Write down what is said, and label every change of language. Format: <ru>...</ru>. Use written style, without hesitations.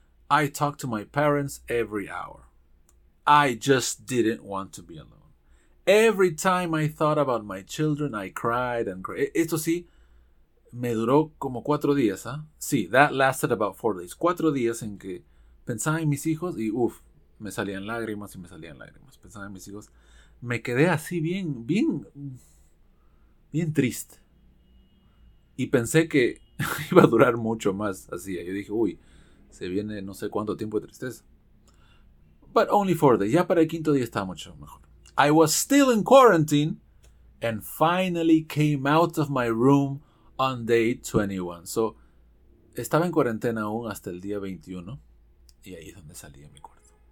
<en>I talked to my parents every hour. I just didn't want to be alone. Every time I thought about my children, I cried and cried.</en> <es>Esto sí, me duró como 4 días, ¿ah?</es> <en>Sí, that lasted about 4 days.</en> <es>4 días en que pensaba en mis hijos y, uff, me salían lágrimas y me salían lágrimas. Pensaba en mis hijos. Me quedé así bien, bien, bien triste. Y pensé que iba a durar mucho más así. Yo dije, uy, se viene no sé cuánto tiempo de tristeza.</es> <en>But only 4 days.</en> <es>Ya para el quinto día estaba mucho mejor.</es> <en>I was still in quarantine and finally came out of my room on day 21. So,</en> <es>Estaba en cuarentena aún hasta el día 21 y ahí es donde salí de mi cuarto.</es>